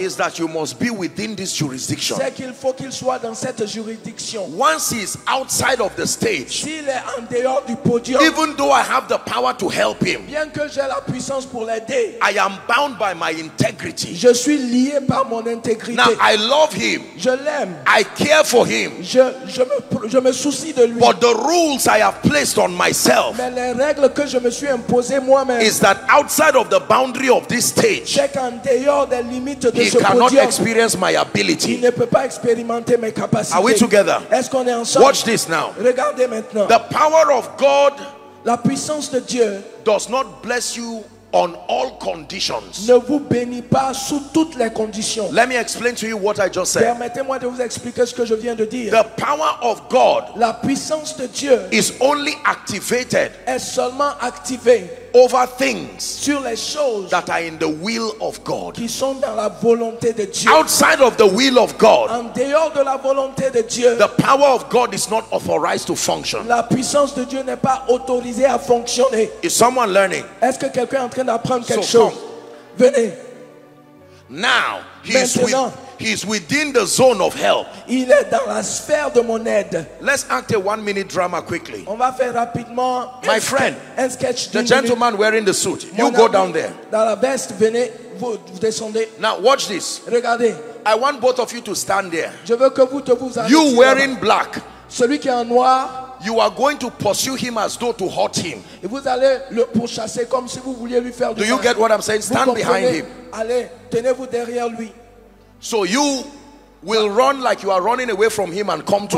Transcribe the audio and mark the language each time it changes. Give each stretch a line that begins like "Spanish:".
English: is that you must be within this jurisdiction.
French: C'est qu'il faut qu'il soit dans cette juridiction.
English: Once he's outside of the stage,
French: s'il est en dehors du podium,
English: even though I have the power to help him,
French: bien que j'ai la puissance pour l'aider,
English: I am bound by my integrity.
French: Je suis lié par mon intégrité.
English: Now I love him.
French: Je l'aime.
English: I care for him.
French: Je me soucie de lui.
English: But the rules I have placed on myself,
French: mais les règles que je me suis imposé moi-même,
English: is that outside of the boundary of this stage,
French: check and dehors des limites de
English: he
French: ce
English: cannot
French: podium,
English: experience my ability.
French: Il ne peut pas expérimenter mes capacités.
English: Are we together?
French: Est-ce qu'on est ensemble?
English: Watch this now.
French: Regardez maintenant.
English: The power of God,
French: la puissance de Dieu,
English: does not bless you on all conditions.
French: Ne vous bénit pas sous toutes les conditions.
English: Let me explain to you what I just said.
French: Permettez-moi de vous expliquer ce que je viens de dire.
English: The power of God,
French: la puissance de Dieu,
English: is only activated,
French: est seulement activée,
English: over things,
French: sur les choses,
English: that are in the will of God,
French: qui sont dans la volonté de Dieu.
English: Outside of the will of God,
French: en dehors de la volonté de Dieu,
English: the power of God is not authorized to function.
French: La puissance de Dieu n'est pas autorisée à fonctionner.
English: Is someone learning?
French: Est-ce que quelqu'un est en train d'apprendre quelque
English: so
French: chose?
English: Come.
French: Venez.
English: Now he's within the zone of help.
French: Il est dans la sphère de mon aide.
English: Let's act a 1 minute drama quickly.
French: On va faire rapidement.
English: My friend, the gentleman wearing the suit, you go down there.
French: Dans la veste, venez, vous descendez.
English: Now watch this.
French: Regardez.
English: I want both of you to stand there.
French: Je veux que vous te vous arrêtiez.
English: You wearing black.
French: Celui qui est en noir.
English: you are going to pursue him as though to hurt him.
French: Vous allez le pourchasser comme si vous vouliez lui faire du
English: mal. Do you get what I'm saying? Stand behind him.
French: Allez, tenez-vous derrière lui.
English: So you will run like you are running away from him and come to